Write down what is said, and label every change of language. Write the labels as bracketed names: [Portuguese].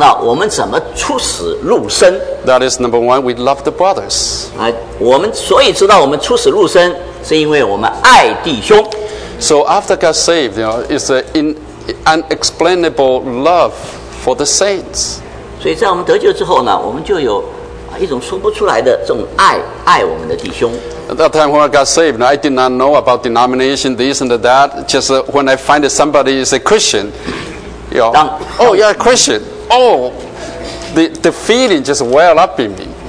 [Chinese] 圣经里面有一个经节讲到我们怎么出死入生。 [English] That is number one, we love the brothers. [Chinese] 我们所以知道我们出死入生是因为我们爱弟兄。 [English] So after God saved, you know, it's an unexplainable love for the saints. [Chinese] 所以在我们得救之后呢,我们就有一种说不出来的这种爱我们的弟兄。 [English] At that time when I got saved, I did not know about denomination, this and that. Just when I find that somebody is a Christian, you know, Christian. Oh, the feeling just well up in me.